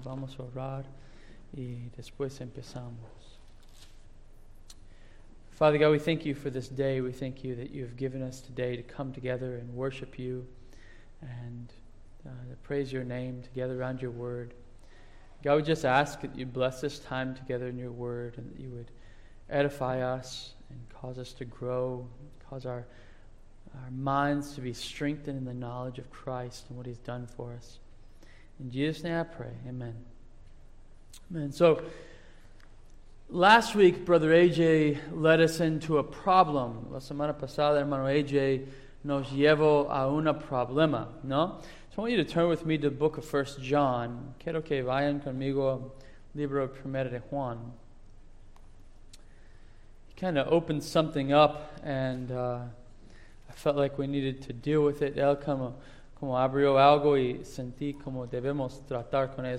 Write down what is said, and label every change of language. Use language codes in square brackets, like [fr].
[es] Vamos a orar y después empezamos. [en] Father God, we thank you for this day. We thank you that you have given us today to come together and worship you and to praise your name together around your word. God, we just ask that you bless this time together in your word and that you would edify us and cause us to grow, cause our minds to be strengthened in the knowledge of Christ and what he's done for us. In Jesus' name I pray, amen. Amen. So, last week, Brother AJ led us into a problem. [es] La semana pasada, hermano AJ, nos llevó a un problema, ¿no? [en] So I want you to turn with me to the book of 1 John. [es] Quiero que vayan conmigo al libro primero de Juan. [en] He kind of opened something up and I felt like we needed to deal with it. [es] Él como abrió algo y sentí como debemos tratar con él.